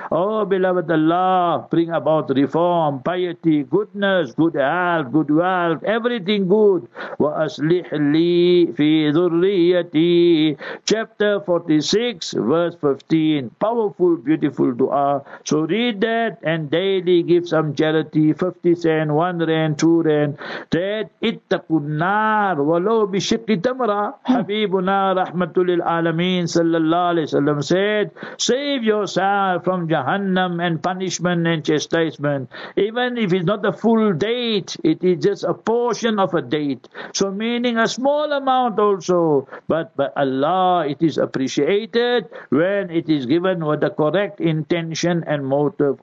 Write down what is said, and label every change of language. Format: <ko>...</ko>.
<en>Oh beloved Allah, bring about reform, piety, goodness, good health, good wealth, everything good.</en> <ar>Wa aslih li fi dhurriyati.</ar> <en>Chapter 46, verse 15. Powerful, beautiful dua. So read that and daily give some charity, 50 cent, 1 rand, 2 rand.</en> <ar>That ittaqu النار ولو بشق تمرة. حبيبنا رحمة للعالمين صلى الله عليه وسلم</ar> <en>said, save yourself from Jahannam and punishment and chastisement. Even if it's not a full date, it is just a portion of a date. So meaning a small amount also. But by Allah, it is appreciated when it is given with the correct intention and motive.</en>